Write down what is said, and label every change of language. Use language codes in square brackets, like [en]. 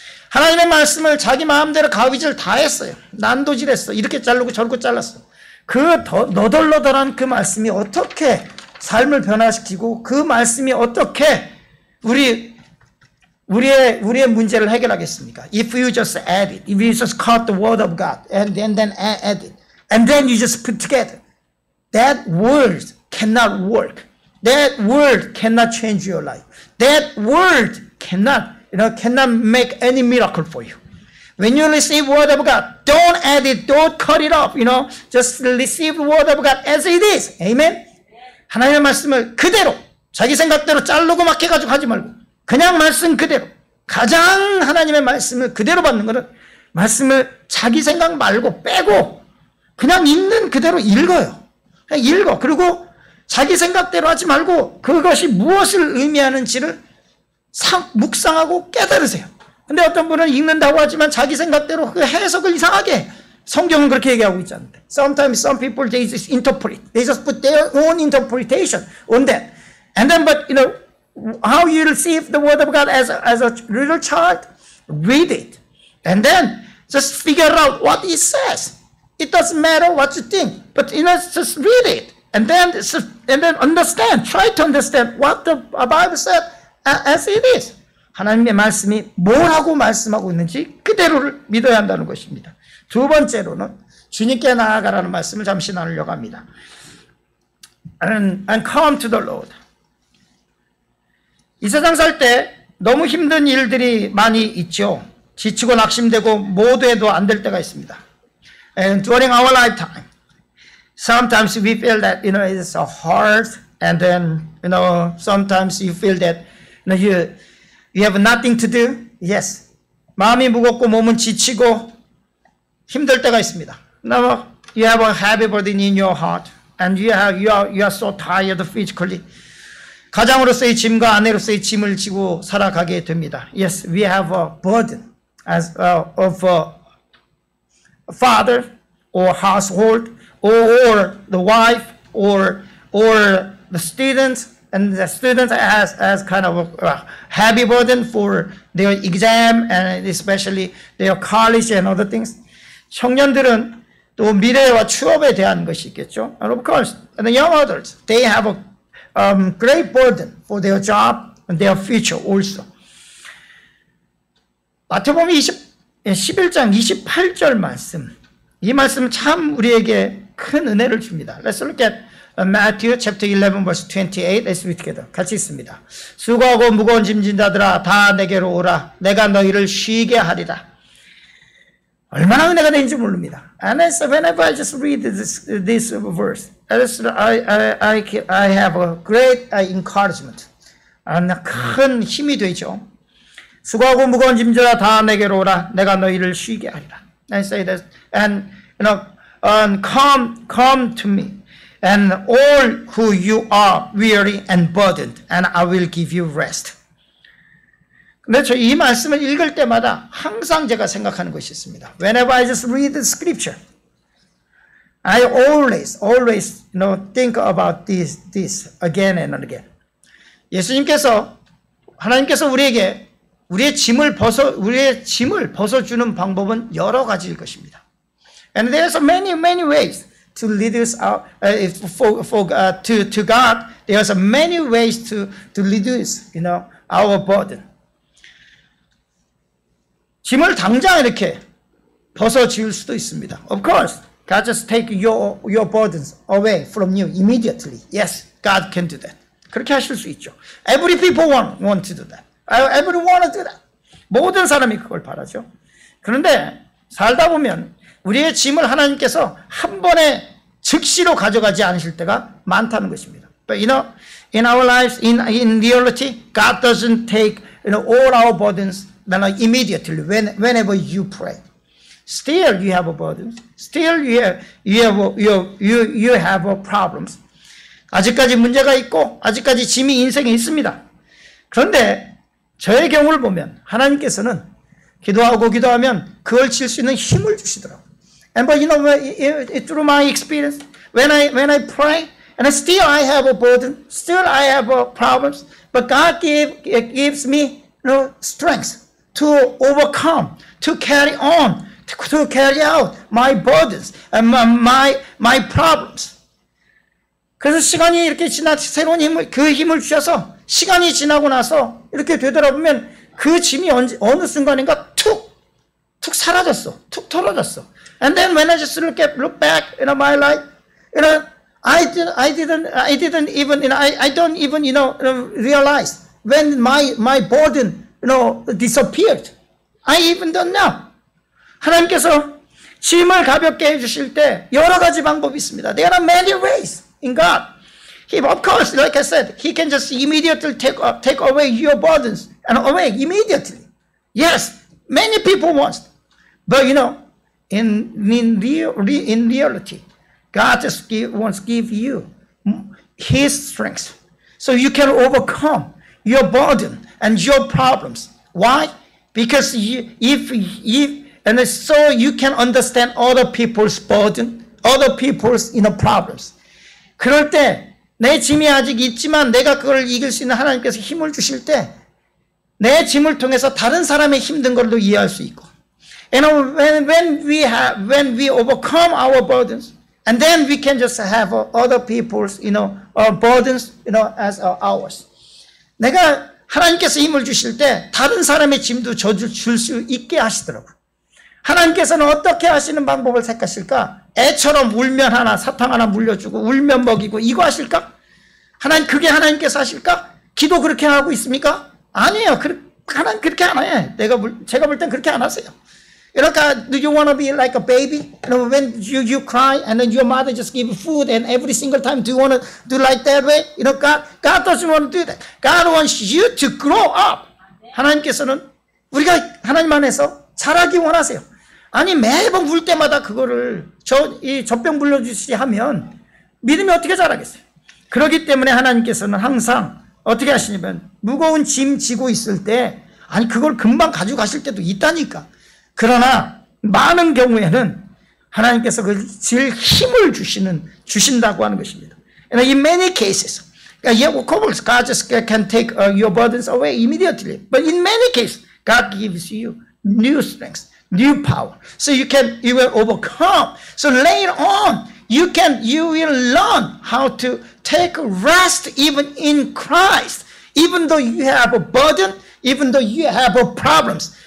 [ko] 하나님의 말씀을 자기 마음대로 가위질 다 했어요. 난도질했어. 이렇게 자르고 저렇게 잘랐어. 그 너덜너덜한 그 말씀이 어떻게 삶을 변화시키고 그 말씀이 어떻게 우리의 문제를 해결하겠습니까? [en] If you just add it, if you just cut the word of God and then add it, and then you just put together, that word cannot work. That word cannot change your life. That word cannot, you know, cannot make any miracle for you. When you receive the word of God, don't add it, don't cut it off, you know. Just receive the word of God as it is. Amen? [ko] 하나님의 말씀을 그대로, 자기 생각대로 자르고 막 해가지고 하지 말고, 그냥 말씀 그대로, 가장 하나님의 말씀을 그대로 받는 것은, 말씀을 자기 생각 말고 빼고, 그냥 있는 그대로 읽어요. 그냥 읽어. 그리고 자기 생각대로 하지 말고, 그것이 무엇을 의미하는지를 묵상하고 깨달으세요. 근데 어떤 분은 읽는다고 하지만 자기 생각대로 그 해석을 이상하게 성경은 그렇게 얘기하고 있지 않는데. [en] Sometimes some people they just interpret. They just put their own interpretation on that. And then but you know how you receive the word of God as a little child? Read it. And then just figure out what it says. It doesn't matter what you think, but you know just read it. And then understand. Try to understand what the Bible said as it is. [ko] 하나님의 말씀이 뭐라고 말씀하고 있는지 그대로를 믿어야 한다는 것입니다. 두 번째로는 주님께 나아가라는 말씀을 잠시 나누려고 합니다. [en] And come to the Lord. [ko] 이 세상 살 때 너무 힘든 일들이 많이 있죠. 지치고 낙심되고 모두 해도 안 될 때가 있습니다. [en] And during our lifetime, sometimes we feel that you know it's a hard, and then you know sometimes you feel that you know, you have nothing to do. Yes. [ko] 마음이 무겁고 몸은 지치고 힘들 때가 있습니다. [en] Now you have a heavy burden in your heart and you are so tired physically. [ko] 가장으로서의 짐과 아내로서의 짐을 지고 살아가게 됩니다. [en] Yes, we have a burden as of a father or household or the wife or the students. And the students as kind of a heavy burden for their exam and especially their college and other things. [ko] 청년들은 또 미래와 취업에 대한 것이 있겠죠. [en] And of course, and the young adults, they have a great burden for their job and their future also. [ko] 마태복음 11장 28절 말씀. 이 말씀은 참 우리에게 큰 은혜를 줍니다. [en] Let's look at Matthew chapter 11 verse 28. Let's read together. [ko] 같이 있습니다. 수고하고 무거운 짐진 자들아 다 내게로 오라. 내가 너희를 쉬게 하리라. 얼마나 은혜가 되는지 모릅니다. [en] And so whenever I just read this verse, I have a great encouragement. [ko] 큰 힘이 되죠. 수고하고 무거운 짐진 자들아 다 내게로 오라. 내가 너희를 쉬게 하리라. [en] I say this and you know and come to me. And all who you are weary and burdened, and I will give you rest. [ko] 근데 저 이 말씀을 읽을 때마다 항상 제가 생각하는 것이 있습니다. [en] Whenever I just read the scripture, I always, you know, think about this again and again. [ko] 예수님께서 하나님께서 우리에게 우리의 짐을 벗어주는 방법은 여러 가지일 것입니다. [en] And there's many ways. To lead us out to God, there are many ways to reduce, you know, our burden. [ko] 짐을 당장 이렇게 벗어 지울 수도 있습니다. [en] Of course, God just take your burdens away from you immediately. Yes, God can do that. [ko] 그렇게 하실 수 있죠. [en] Every people want to do that. Everyone want to do that. [ko] 모든 사람이 그걸 바라죠. 그런데 살다 보면 우리의 짐을 하나님께서 한 번에 즉시로 가져가지 않으실 때가 많다는 것입니다. [en] But you know, in our lives, in reality, God doesn't take you know, all our burdens immediately whenever you pray. Still, you have a burden. Still, you have a problems. [ko] 아직까지 문제가 있고 아직까지 짐이 인생에 있습니다. 그런데 저의 경우를 보면 하나님께서는 기도하고 기도하면 그걸 칠 수 있는 힘을 주시더라고요. [en] And but you know, through my experience, when I pray, and still I have a burden, still I have problems, but God gives me, you know, strength. to overcome, to carry on, to carry out my burdens and my problems. [ko] 그래서 시간이 이렇게 지나 새로운 힘을 그 힘을 주셔서 시간이 지나고 나서 이렇게 되돌아보면 그 짐이 어느 순간인가 툭 사라졌어. 툭 털어졌어. [en] And then when I just look back in my life, you know, I don't even realize when my burden, you know, disappeared. I even don't know. [ko] 하나님께서 짐을 가볍게 해 주실 때 여러 가지 방법이 있습니다. [en] There are many ways in God. He, of course, like I said, he can just immediately take away your burdens and away immediately. Yes, many people want. But you know, in reality, God just wants to give you his strength so you can overcome your burden and your problems. Why? Because so you can understand other people's burden, other people's inner problems. [ko] 그럴 때 내 짐이 아직 있지만 내가 그걸 이길 수 있는 하나님께서 힘을 주실 때 내 짐을 통해서 다른 사람의 힘든 걸도 이해할 수 있고. And when we overcome our burdens, and then we can just have other people's, you know, burdens, you know, as ours. 내가 하나님께서 힘을 주실 때 다른 사람의 짐도 줄 수 있게 하시더라고. 하나님께서는 어떻게 하시는 방법을 택하실까? 애처럼 울면 하나, 사탕 하나 물려주고 울면 먹이고 이거 하실까? 하나님 그게 하나님께서 하실까? 기도 그렇게 하고 있습니까? 아니에요. 하나님 그렇게 안 해. 제가 볼 땐 그렇게 안 하세요. 이렇게, [en] do you want to be like a baby? You know, when you cry and then your mother just give food and every single time, do you want to do like that way? You know, God doesn't want to do that. God wants you to grow up. [ko] 하나님께서는 우리가 하나님 안에서 자라기 원하세요. 아니, 매번 울 때마다 그거를 이 젖병 불러주시지 하면 믿음이 어떻게 자라겠어요? 그렇기 때문에 하나님께서는 항상 어떻게 하시냐면 무거운 짐 지고 있을 때, 아니, 그걸 금방 가져가실 때도 있다니까. 그러나 많은 경우에는 하나님께서 그 질 힘을 주신다고 하는 것입니다. [en] And in many cases, yeah, of course, God just can take your burdens away immediately. But in many cases, God gives you new strength, new power, so you will overcome. So later on, you will learn how to take rest even in Christ, even though you have a burden, even though you have a problems.